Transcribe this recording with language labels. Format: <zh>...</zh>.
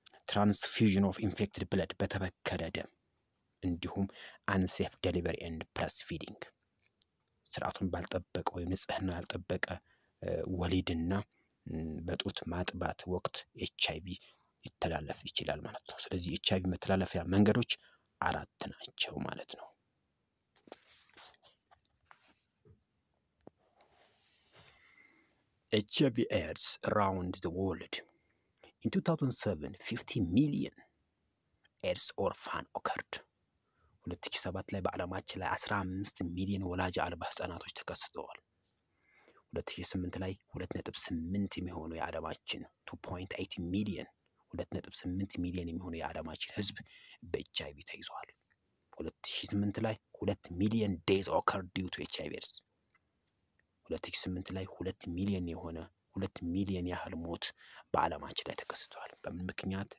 <en>ትራንስፊዥን ኦፍ ኢንፌክትድ ብለድ</en> <am>በተበከለ ደም፣ እንዲሁም</am> <en>አንሴፍ ዴሊቨሪ ኤንድ ብረስት ፊዲንግ</en> <am>ስርዓቱን ባልጠበቀ ወይም ንጽህና ያልጠበቀ ወሊድና በጡት ማጥባት ወቅት HIV ይተላለፍ ይችላል ማለት ነው። ስለዚህ HIV መተላለፊያ መንገዶች አራት ናቸው ማለት ነው።</am> <en>HIV AIDS around the world. In 2007, 50 million AIDS orphans occurred.</en> <am>2007 ላይ በዓለማችን ላይ 15 ሚሊዮን ወላጅ አልባ ህጻናቶች ተከስተዋል። 2008 ላይ 2.8 የሚሆኑ የዓለማችን 2.8 ሚሊዮን 2.8 ሚሊዮን የሚሆኑ የዓለማችን ህዝብ በHIV ተይዟል። 2008 ላይ 2 ሚሊዮን</am> <en>ዴዝ ኦከርድ ዲው ቱ HIV ኤድስ</en> <am>2008 ላይ 2 ሚሊዮን የሆነ 2 ሚሊዮን ያህል ሞት በዓለማችን ላይ ተከስቷል። በምን ምክንያት?</am>